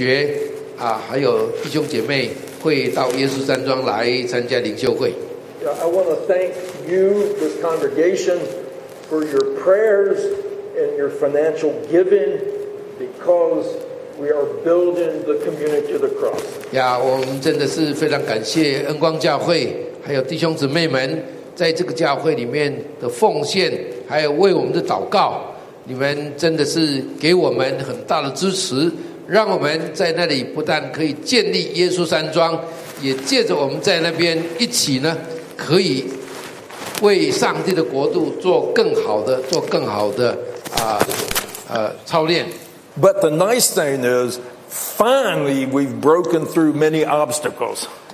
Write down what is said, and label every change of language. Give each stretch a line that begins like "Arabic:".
Chinese: 我们下一个月，我们的神学院有很多同学，还有弟兄姐妹。会到耶稣山庄来参加灵修会。
English: I want to thank you, this congregation, for your prayers and your financial giving because we are building the community of the cross.
Chinese: Yeah, 我们真的是非常感谢恩光教会还有弟兄姊妹们在这个教会里面的奉献还有为我们的祷告你们真的是给我们很大的支持 让我们在那里不但可以建立耶稣山庄，也借着我们在那边一起呢，可以为上帝的国度做更好的操练。
English: But the nice thing is, finally we've broken through many obstacles.